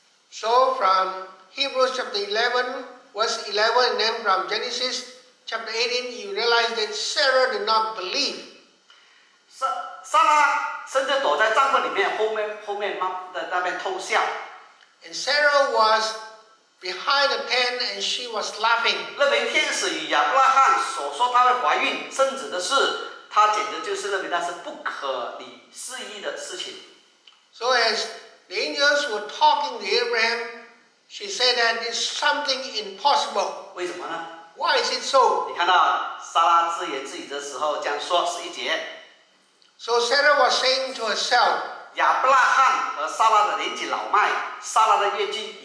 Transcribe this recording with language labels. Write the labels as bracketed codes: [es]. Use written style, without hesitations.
[en] So from Hebrews chapter 11, verse 11, and then from Genesis chapter 18, you realize that Sarah did not believe. [zh] 撒拉甚至躲在帐篷里面后面那边偷笑。 [en] And Sarah was behind the tent and she was laughing. [zh] 认为天使与亚伯拉罕所说她会怀孕生子的事，她简直就是认为那是不可理事意的事情。 [en] So as the angels were talking to Abraham. She said that it's something impossible. [zh] 为什么呢? [en] Why is it so? [zh] 你看到撒拉自言自语的时候，这样说十一节。 [en] So Sarah was saying to herself. [zh] 亚伯拉罕和撒拉的年纪老迈，撒拉的月经